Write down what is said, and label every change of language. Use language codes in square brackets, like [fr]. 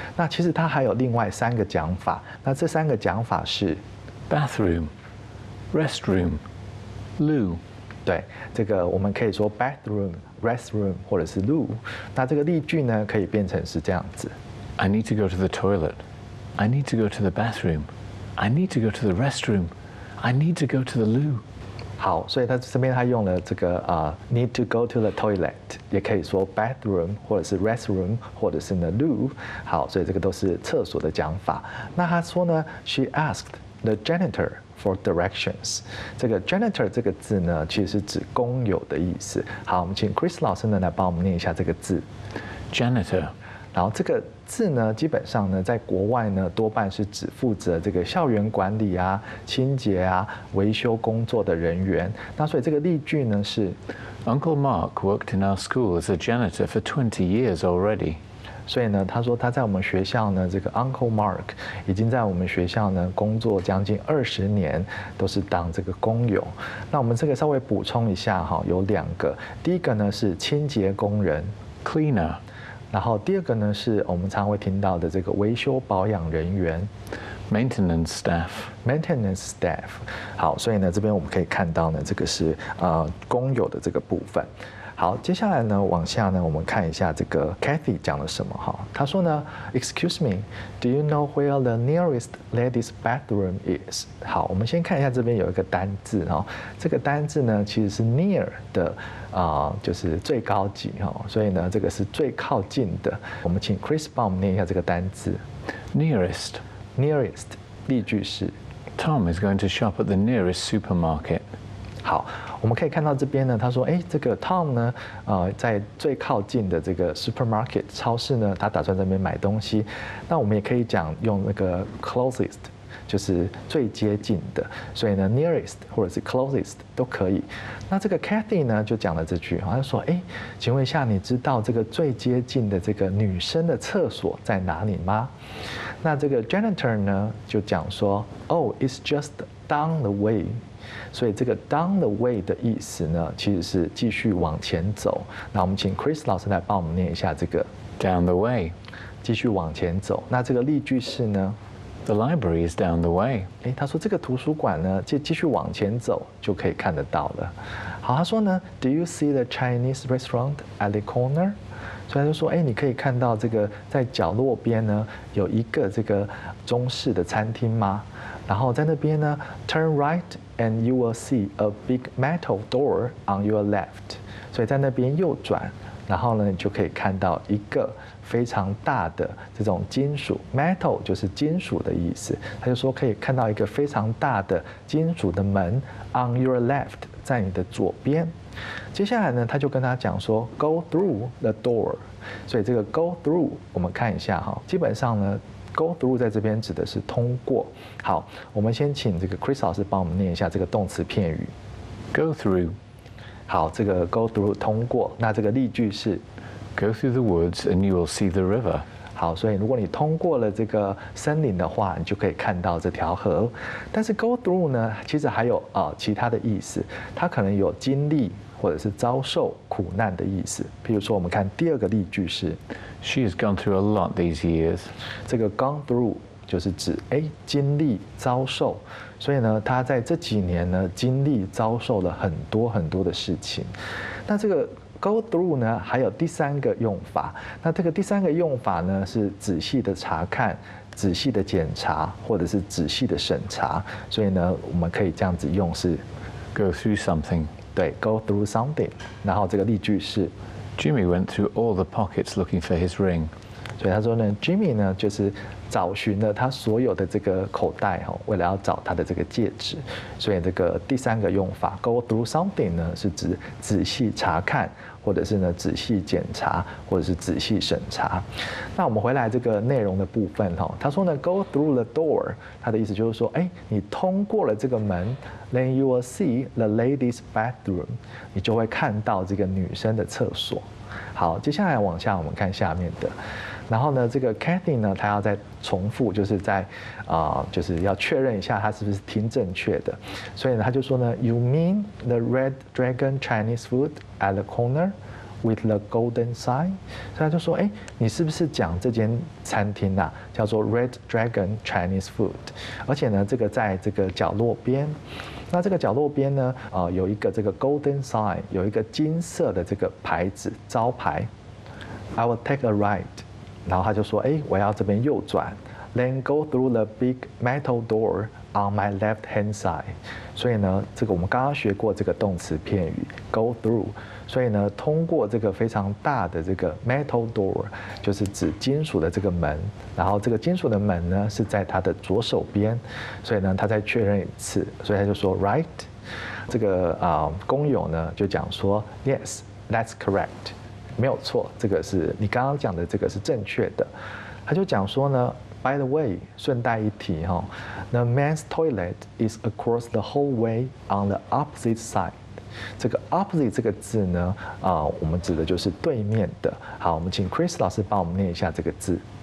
[zh] 那其实它还有另外三个讲法，那这三个讲法是 [en] bathroom, restroom, loo。 [zh] 对，这个我们可以说 [en] bathroom, restroom [zh] 或者是 loo。那这个例句呢，可以变成是这样子 [en] ：I need to go to the toilet. I need to go to the bathroom. I need to go to the restroom. I need to go to the loo. [zh] 好，所以他这边他用了这个 [en] need to go to the toilet， [zh] 也可以说 bathroom 或者是 restroom 或者是 the loo。好，所以这个都是厕所的讲法。那他说呢 [en] ，she asked the janitor for directions。 [zh] 这个 janitor 这个字呢，其实是指工友的意思。好，我们请 Chris 老师呢来帮我们念一下这个字 [en] ，janitor。 [zh] 然后这个字呢，基本上呢，在国外呢，多半是指负责这个校园管理啊、清洁啊、维修工作的人员。那所以这个例句呢是 [en] ，Uncle Mark worked in our school as a janitor for 20 years already。 [zh] 所以呢，他说他在我们学校呢，这个 Uncle Mark 已经在我们学校呢工作将近20年，都是当这个工友。那我们这个稍微补充一下哈，有两个，第一个呢是清洁工人 [en] ，cleaner。 [zh] 然后第二个呢，是我们常常会听到的这个维修保养人员 [en] ，maintenance staff。 maintenance staff。 [zh] 好，所以呢，这边我们可以看到呢，这个是工友的这个部分。好，接下来呢，往下呢，我们看一下这个 Cathy 讲了什么哈。他说呢 [en] ，Excuse me, do you know where the nearest ladies' bathroom is？ [zh] 好，我们先看一下这边有一个单字哈，这个单字呢，其实是 near 的。就是最高级哈，所以呢，这个是最靠近的。我们请 Chris 帮我们念一下这个单字 [en] ，nearest， nearest， [zh] 例句是 [en] Tom is going to shop at the nearest supermarket. [zh] 好，我们可以看到这边呢，他说，哎，这个 Tom 呢，在最靠近的这个 supermarket 超市呢，他打算在那边买东西。那我们也可以讲用那个 closest， 就是最接近的。所以呢 ，nearest 或者是 closest 都可以。那这个 Cathy 呢，就讲了这句，他说，哎，请问一下，你知道这个最接近的这个女生的厕所在哪里吗？ [en] 那这个 janitor 呢， [zh] 就讲说 [en] ，Oh， it's just down the way。 [zh] 所以这个 down the way 的意思呢，其实是继续往前走。那我们请 Chris 老师来帮我们念一下这个 [en] down the way， [zh] 继续往前走。那这个例句是呢 [en] ？The library is down the way。 [zh] 哎，他说这个图书馆呢，继续往前走就可以看得到了。 [en] 好， [zh] 他说呢 [en] ，Do you see the Chinese restaurant at the corner？ [zh] 所以他就说，哎，你可以看到这个在角落边呢，有一个这个中式的餐厅吗？然后在那边呢 ， [en] turn right。 And you will see a big metal door on your left. [zh] 所以在那边右转，然后呢，你就可以看到一个非常大的这种金属 metal 就是金属的意思。他就说可以看到一个非常大的金属的门 [en] on your left， [zh] 在你的左边。接下来呢，他就跟他讲说 [en] go through the door。 [zh] 所以这个 go through， 我们看一下哈，基本上呢。Go through 在这边指的是通过。好，我们先请这个 Chris 老师帮我们念一下这个动词片语。 [en] Go through。 [zh] 好，这个 go through 通过。那这个例句是 [en] ？Go through the woods and you will see the river。 [zh] 好，所以如果你通过了这个森林的话，你就可以看到这条河。但是 go through 呢，其实还有其他的意思，它可能有经历或者是遭受苦难的意思。譬如说，我们看第二个例句是。 [en] She has gone through a lot these years. [zh] 这个 gone through 就是指哎经历遭受，所以呢，她在这几年呢经历遭受了很多很多的事情。那这个 go through 呢，还有第三个用法。那这个第三个用法呢，是仔细的查看、仔细的检查或者是仔细的审查。所以呢，我们可以这样子用是 [en] go through something. [zh] 对 [en] ，go through something. 然后这个例句是。 Jimmy went through all the pockets looking for his ring. [zh] 所以他说呢 ，Jimmy 呢就是找寻了他所有的这个口袋哈，为了要找他的这个戒指。所以这个第三个用法 ，go through something 呢，是指仔细查看，或者是呢仔细检查，或者是仔细审查。那我们回来这个内容的部分哈，他说呢 ， [en] go through the door， [zh] 他的意思就是说，哎，你通过了这个门。 [en] Then you will see the lady's bathroom. [zh] 你就会看到这个女生的厕所。好，接下来往下我们看下面的。然后呢，这个 Cathy 呢，她要再重复，就是在就是要确认一下她是不是听正确的。所以呢，她就说呢 [en] ，You mean the Red Dragon Chinese food at the corner with the golden sign？ [zh] 所以她就说，哎，你是不是讲这间餐厅呐、啊，叫做 Red Dragon Chinese food？而且呢，这个在这个角落边。那这个角落边呢，有一个这个 golden sign， 有一个金色的这个牌子招牌。 [en] I will take a right， [zh] 然后他就说，哎，我要这边右转。 [en] Then go through the big metal door on my left hand side。 [zh] 所以呢，这个我们刚刚学过这个动词片语 go through， 所以呢，通过这个非常大的这个 metal door， 就是指金属的这个门。然后这个金属的门呢是在他的左手边，所以呢，他再确认一次，所以他就说 right。这个工友呢就讲说 [en] yes， that's correct， [zh] 没有错，这个是你刚刚讲的这个是正确的。他就讲说呢。 [en] By the way, [zh] 顺带一提哈 [en] ，the men's toilet is across the hallway on the opposite side. [zh] 这个 opposite 这个字呢，我们指的就是对面的。好，我们请 Chris 老师帮我们念一下这个字